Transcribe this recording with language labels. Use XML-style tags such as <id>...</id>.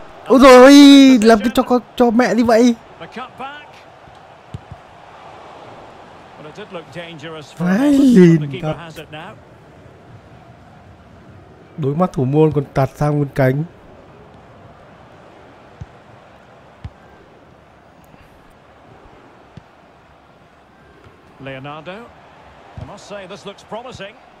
<vi>Úi dồi ôi, làm cái cho mẹ đi vậy.</vi> <en>The cutback. Did look dangerous for us, but the keeper has it now.</en> <vi>Đối mắt thủ môn còn tạt sang bên cánh.</vi> <en>Leonardo, I must say this looks promising.</en>